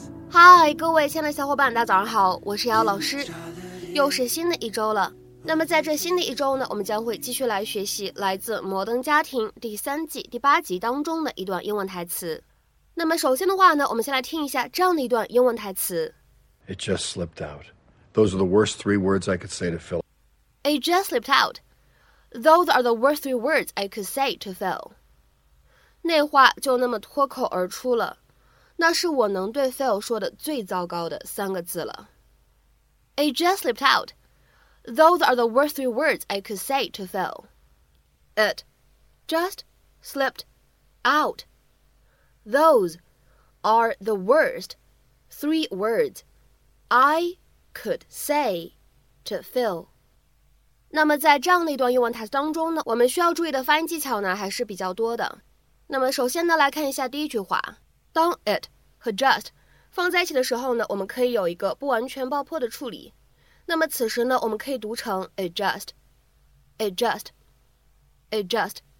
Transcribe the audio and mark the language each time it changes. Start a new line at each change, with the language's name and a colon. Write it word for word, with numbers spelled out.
Chinese: 嗨，各位亲爱的小伙伴，大家早上好，我是瑶瑶老师。又是新的一周了，那么在这新的一周呢，我们将会继续来学习来自《摩登家庭》第三季第八集当中的一段英文台词。那么首先的话呢，我们先来听一下这样的一段英文台词。
English: It just slipped out. Those are the worst three words I could say to Phil. It just slipped out. Those are the worst three words I could say to Phil.
Chinese: 那话就那么脱口而出了，那是我能对 Phil 说的最糟糕的三个字了。
English: It just slipped out. Those are the worst three words I could say to Phil. It just slipped out. Those are the worst three words I could say to Phil.
Chinese: 那么在这样的一段英文台词当中呢，我们需要注意的发音技巧呢还是比较多的。那么首先呢，来看一下第一句话，当 it 和 just 放在一起的时候呢，我们可以有一个不完全爆破的处理。那么此时呢，我们可以读成 it just, it just, it just。